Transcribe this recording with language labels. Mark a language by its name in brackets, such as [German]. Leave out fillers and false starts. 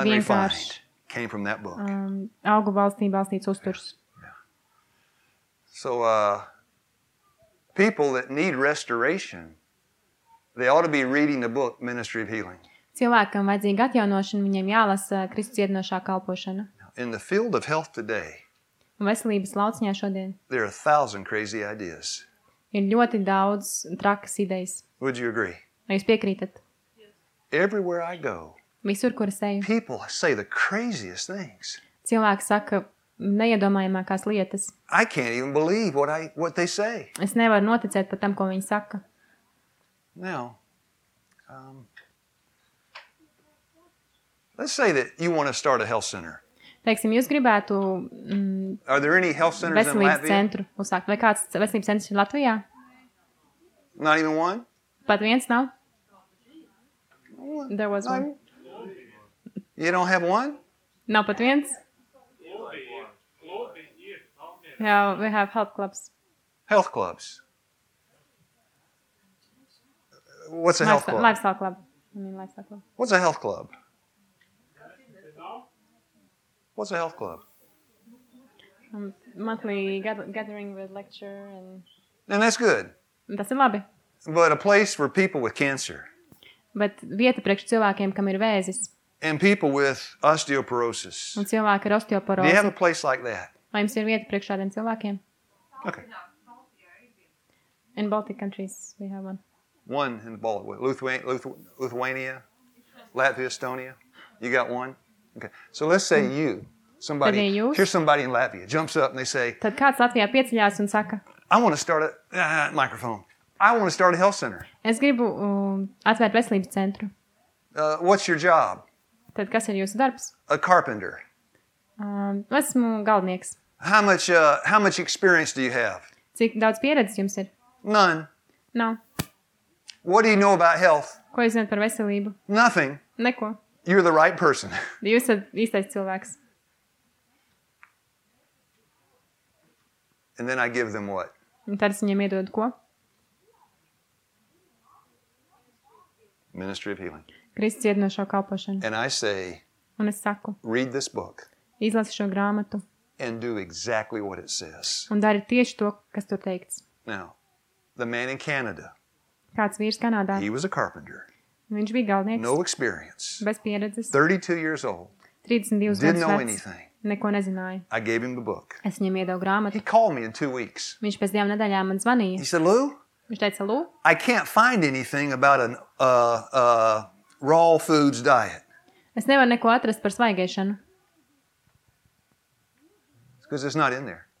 [English] Simple, unrefined, came from that book. [Latvian] Augu valstī balstīts uzturs. [English] So, people that need restoration, they ought to be reading the book Ministry of Healing. [Latvian] Cilvēkam vajadzīga atjaunošana, viņiem jālasa Kristus dziedinošā kalpošana. [English] In the field of health today, [Latvian] veselības lauciņā šodien, [English] there are 1,000 crazy ideas. [Latvian] Ir ļoti daudz trakas idejas. [English] Would you agree? [Latvian] Vai jūs piekrītat? [English] Everywhere I go, [Latvian] visur, kur es eju, [English] people say the craziest things. [Latvian] Cilvēki saka, neiedomājamākās lietas. [English] I can't even believe what they say. [Latvian] Es nevaru noticēt par tam, ko viņi saka. [English] Now, let's say that you want to start a health center. [Latvian] Teiksim, jūs gribētu [English] are there any health centers in Latvia? [Latvian] Centru uzsākt. Vai kāds veselības centrs ir Latvijā? [English] Not even one? [Latvian] Pat viens nav. [English] Well, there was one. You don't have one? [Latvian] Nav pat viens. [English] Yeah, we have health clubs. Health clubs. What's a health club? Lifestyle club. I mean lifestyle club. What's a health club? What's a health club? Monthly gathering with lecture and that's good. [Latvian] Tas ir labi. [English] But a place for people with cancer. [Latvian] Bet vieta priekš cilvēkiem, kam ir vēzis. [English] And people with osteoporosis. [Latvian] Un cilvēki ar osteoporozi. [English] Do you have a place like that? [Latvian] Vai jums ir vieta priekš šādiem cilvēkiem? [English] Okay. In Baltic countries we have one. One in Baltic, Lithuania, Latvia, Estonia. You got one? Okay. So let's say you, somebody, here's somebody in Latvia, jumps up and they say, [Latvian] Tad kāds Latvijā pieceļās un saka, [English] I want to start a microphone. I want to start a health center. [Latvian] Es gribu atvērt veselības centru. [English] What's your job? [Latvian] Tad kas ir jūsu darbs? [English] A carpenter. [Latvian] Esmu galvenieks. [English] How much experience do you have? [Latvian] Cik daudz pieredzes jums ir? [English] None. No. What do you know about health? [Latvian] Ko jūs zināt par veselību? [English] Nothing. [Latvian] Neko. [English] You're the right person. [Latvian] Jūs esat īstais cilvēks. [English] And then I give them what? [Latvian] Un tad es viņiem iedodu ko? [English] Ministry of Healing. [Latvian] Kristus iedinošo kalpošanu. [English] And I say, [Latvian] Un es saku, [English] read this book. [Latvian] Izlasi šo grāmatu. [English] And do exactly what it says. [Latvian] Un dari tieši to, kas tur teikts. [English] Now, the man in Canada. [Latvian] Kāds vīrs Kanādā. [English] He was a carpenter. [Latvian] Viņš bija galvenieks. [English] No experience. [Latvian] Bez pieredzes. [English] 32 years old. [Latvian] 32 gadus vecs. [English] Didn't know anything. [Latvian] Neko nezināja. [English] I gave him the book. [Latvian] Es viņam iedevu grāmatu. [English] He called me in 2 weeks. [Latvian] Viņš pēc divām nedēļām man zvanīja. [English] He said, Lou? [Latvian] Viņš teica, Lou? [English] I can't find anything about an raw foods diet. [Latvian] Es nevaru neko atrast par svaigēšanu. [English] Because it's not in there.